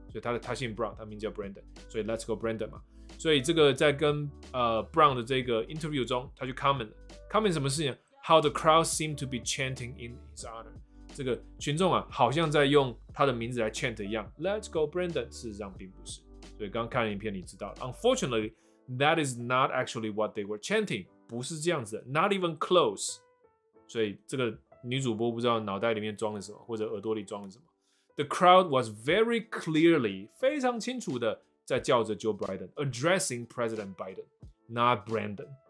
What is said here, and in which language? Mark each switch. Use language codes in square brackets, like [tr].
[zh] 所以他姓 Brown， 他名叫 Brandon， 所以 Let's Go Brandon 嘛。所以这个在跟Brown 的这个 interview 中，他就 comment 什么事情 ？ [en] How the crowd seemed to be chanting in his honor， [zh] 这个群众啊，好像在用他的名字来 chant 一样。 [en] Let's Go Brandon， 事实上并不是。 [zh] 所以刚看了影片，你知道了。 [en] Unfortunately， that is not actually what they were chanting， [zh] 不是这样子的 [en] ，not even close。 [zh] 所以这个女主播不知道脑袋里面装了什么，或者耳朵里装了什么。 [en] The crowd was very clearly, [zh] 非常清楚的在叫着 [en] Joe Biden, addressing President Biden, not Brandon.